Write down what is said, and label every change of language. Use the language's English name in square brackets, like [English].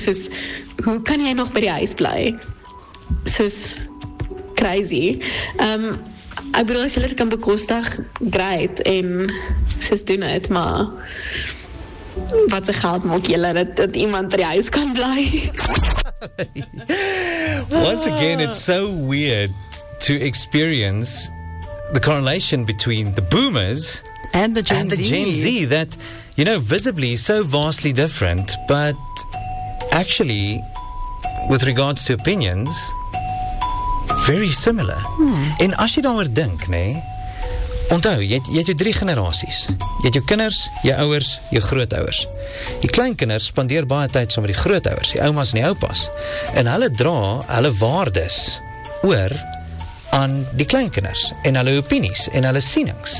[Afrikaans] Soos, hoe kan jy nog by die huis bly? Soos, crazy. Ek bedoel, as jy dit kan bekostig, great, en soos doen het, maar wat se geld maak jy dat iemand by die huis kan bly? [English] Once again, it's so weird to experience the correlation between the boomers and the Gen Z. The Gen Z that, you know, visibly so vastly different, but actually, with regards to opinions, very similar. [Afrikaans] En as jy daaroor dink, nê, onthou, jy het jou drie generasies. Jy het jou kinders, jou ouers, jou grootouers. Die kleinkinders spandeer baie tyd saam met die grootouers, die oumas en die oupas. En hulle dra hulle waardes oor aan die kleinkinders en hulle opinies en hulle sienings.